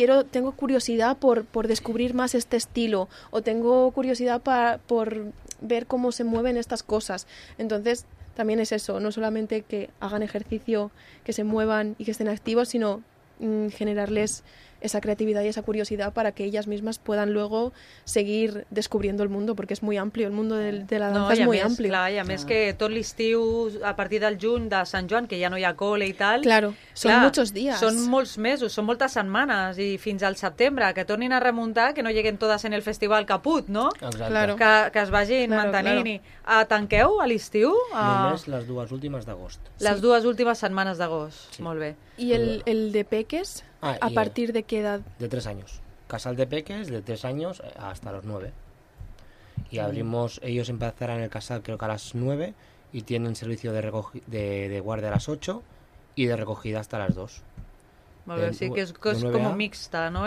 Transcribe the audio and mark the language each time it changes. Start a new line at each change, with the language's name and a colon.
Spanish: tengo curiosidad por descubrir más este estilo o tengo curiosidad por ver cómo se mueven estas cosas. Entonces también es eso, no solamente que hagan ejercicio, que se muevan y que estén activos, sino generarles esa creatividad y esa curiosidad para que ellas mismas puedan luego seguir descubriendo el mundo, porque es muy amplio, el mundo de la danza no, es muy amplio.
Catalan: Clar, i a més que tot l'estiu, a partir del juny de Sant Joan, que ja no hi ha col·le i tal... Claro, són molts dies. Són molts mesos, són moltes setmanes, i fins al setembre, que tornin a remuntar, que no lleguen totes en el festival caput, no? Exacte.
Spanish: Claro.
Catalan: Que es vagin
Spanish: claro,
Catalan: mantenint.
Spanish: Claro.
Catalan: Tanqueu a l'estiu? Només les dues últimes d'agost. Les sí. dues últimes setmanes d'agost, sí. Molt bé. I el de peques... Ah,
Spanish: ¿a partir de qué edad? De 3 años. Casal de peques, de 3 años hasta los 9. Y abrimos, ellos empezarán el casal creo que a las 9 y tienen servicio de guardia a las 8 y de recogida hasta las 2. Vale, sí, que es como mixta, ¿no?